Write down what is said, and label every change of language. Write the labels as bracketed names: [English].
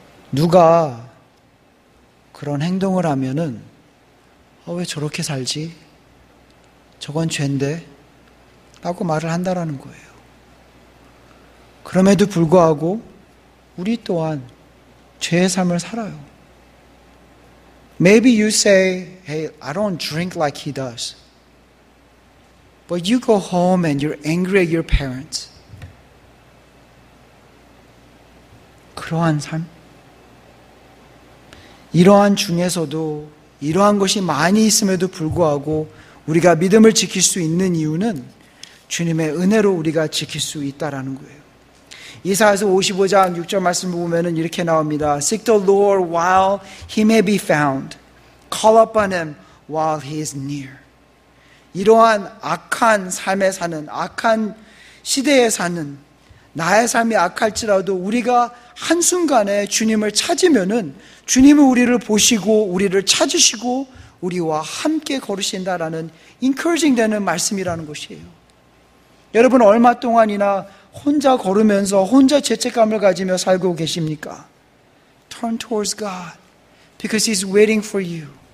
[Korean] 누가 그런 행동을 하면은 왜 저렇게 살지? 저건 죄인데? 라고 말을 한다라는 거예요. 그럼에도 불구하고 우리 또한 죄의 삶을 살아요. [English] Maybe you say, hey, I don't drink like he does. But you go home and you're angry at your parents. [Korean] 그러한 삶? 이러한 중에서도 이러한 것이 많이 있음에도 불구하고 우리가 믿음을 지킬 수 있는 이유는 주님의 은혜로 우리가 지킬 수 있다라는 거예요. 이사야서 55장 6절 말씀을 보면 이렇게 나옵니다. [English] Seek the Lord while he may be found. Call upon him while he is near. [Korean] 이러한 악한 삶에 사는, 악한 시대에 사는, 나의 삶이 악할지라도 우리가 한순간에 주님을 찾으면은 주님은 우리를 보시고 우리를 찾으시고 우리와 함께 걸으신다라는 encouraging 되는 말씀이라는 것이에요. 여러분 얼마 동안이나 혼자 걸으면서 혼자 죄책감을 가지며 살고 계십니까? [English] Turn towards God because he's waiting for you.